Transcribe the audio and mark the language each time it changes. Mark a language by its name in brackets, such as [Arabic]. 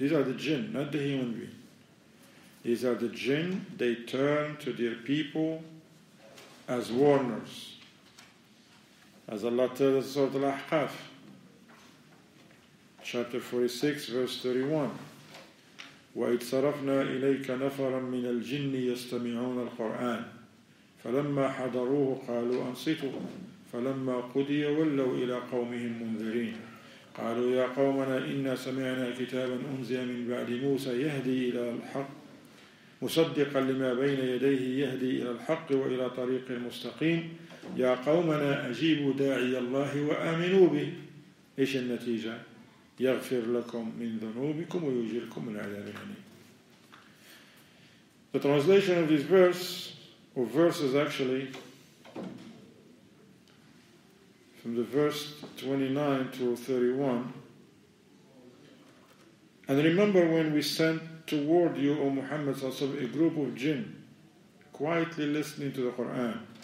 [English] These are the jinn, not the human being. These are the jinn, they turned to their people as warners. As Allah tells us in Surah Al-Ahqaf, chapter 46, verse 31, [Arabic] وَإِذْ صَرَفْنَا إِلَيْكَ نَفَرًا مِّنَ الْجِنِّ يَسْتَمِعُونَ الْقُرْآنِ فَلَمَّا حَضَرُوهُ قَالُوا أَنْصِتُوا فَلَمَّا قُدِيَ وَلَّوْا إِلَىٰ قَوْمِهِمْ مُنذِرِينَ قَالُوا يَا قَوْمَنَا إِنَّا سَمِعْنَا كِتَابًا أُنْزِلَ مِنْ بَعْدِ مُوسَى يَهْدِي إِلَىٰ الْحَقِّ مُصَدِّقًا لِمَا بَيْنَ يَدَيْهِ يَهْدِي إِلَىٰ الْحَقِّ وَإِلَىٰ طَرِيقٍ مُسْتَقِيمٍ يا قومنا أجيبوا داعي الله وآمنوا به. إيش النتيجة؟ يغفر لكم من ذنوبكم ويجركم من عذاب الأليم. [English] The translation of this verse, or verses actually, from the verse 29 to 31, and remember when we sent toward you, O Muhammad, a group of jinn quietly listening to the Quran.